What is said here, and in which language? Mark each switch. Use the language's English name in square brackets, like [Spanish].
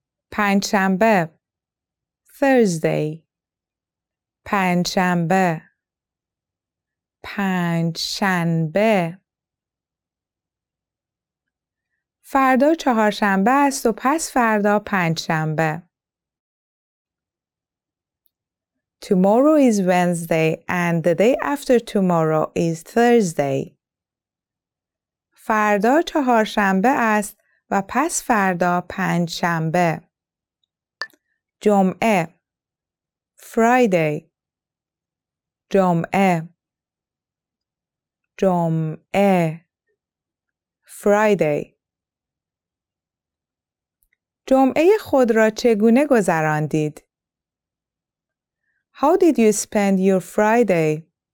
[Persian] پنجشنبه Thursday پنجشنبه پنجشنبه فردا چهارشنبه است و پس فردا پنجشنبه. [English] Tomorrow is Wednesday and the day after tomorrow is Thursday. [Persian] فردا چهارشنبه است و پس فردا پنجشنبه. جمعه Friday جمعه جمعه Friday جمعه خود را چگونه گذراندید؟ [English] How did you spend your Friday?